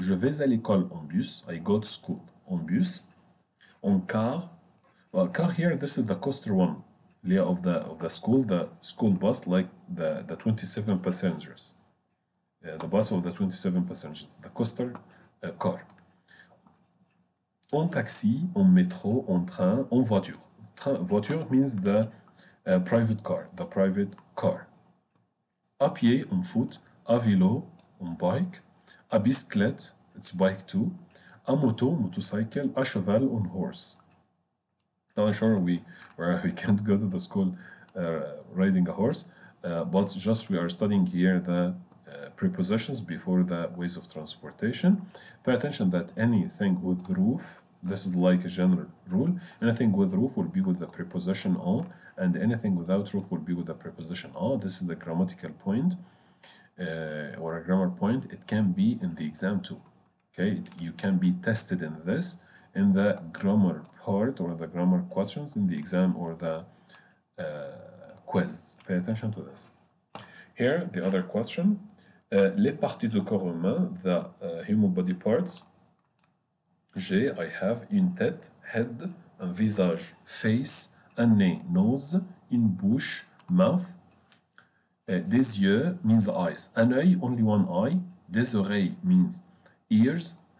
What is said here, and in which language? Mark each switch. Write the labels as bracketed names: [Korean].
[French] Je vais à l'école en bus. [English] I go to school [French] en bus. En car. [English] Well, car here, this is the coaster one of the school, the school bus, like the 27 passengers. The bus of the 27 passengers, the coaster car. [French] En taxi, en métro, en train, en voiture. [English] Voiture means the private car, [French] À pied, [English] en foot, à vélo, en bike, [French] à bicyclette, [English] it's bike too, à moto, motorcycle, [French] à cheval, [English] on horse. Not sure we can't go to the school riding a horse, but just we are studying here the prepositions before the ways of transportation. Pay attention that anything with roof, this is like a general rule, anything with roof will be with the preposition on, and anything without roof will be with the preposition on. This is the grammatical point, or a grammar point. It can be in the exam too. Okay, you can be tested in this, in the grammar part or the grammar questions in the exam or the quiz. Pay attention to this. Here, the other question. [French] Les parties du corps humain, [English] the human body parts. J'ai, I have, [French] une tête, [English] head, [French] un visage, [English] face, [French] un nez, [English] nose, [French] une bouche, [English] mouth. [French] Des yeux, [English] means eyes. [French] Un œil, [English] only one eye. [French] Des oreilles, [English] means ears.